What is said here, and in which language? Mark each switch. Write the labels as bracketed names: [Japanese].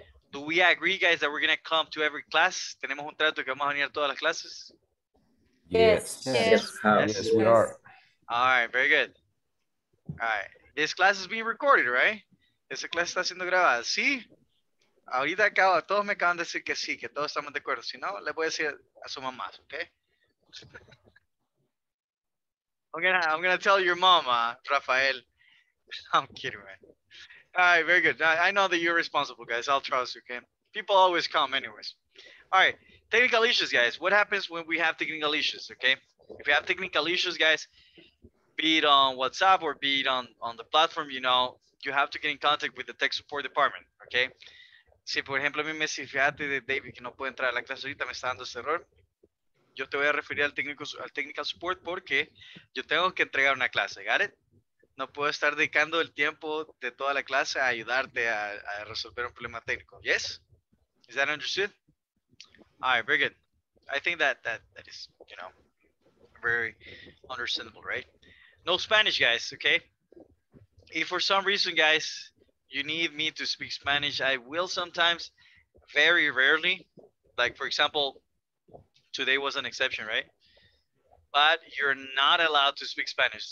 [English] Do we agree, guys, that we're going to come to every class? [Spanish] ¿Tenemos un trato que vamos a venir a todas las clases? [English] Yes. Yes. Yes, we are. All right, very good. All right. This class is being recorded, right? [Spanish] Esa clase está siendo grabada, ¿sí? Ahorita acaba, todos me acaban de decir que sí, que todos estamos de acuerdo. Si no, le voy a decir a su mamá, ¿ok? [English] I'm gonna tell your mama, Rafael. I'm kidding, man. All right, very good. I know that you're responsible, guys. I'll trust you, okay? People always come anyways. All right, technical issues, guys. What happens when we have technical issues, okay? If you have technical issues, guys, be it on WhatsApp or be it on the platform, you know, you have to get in contact with the tech support department, okay? [Spanish] Si, por ejemplo, a mí me dice, fíjate, David, que no puedo entrar a la clase ahorita, me está dando ese error. Yo te voy a referir al technical support porque yo tengo que entregar una clase, got it? No puedo estar dedicando el tiempo de toda la clase a ayudarte a resolver un problema técnico, yes? [English] Is that understood? All right, very good. I think that is, you know, very understandable, right? No Spanish, guys, okay? If for some reason, guys, you need me to speak Spanish, I will sometimes, very rarely. Like, for example, today was an exception, right? But you're not allowed to speak Spanish.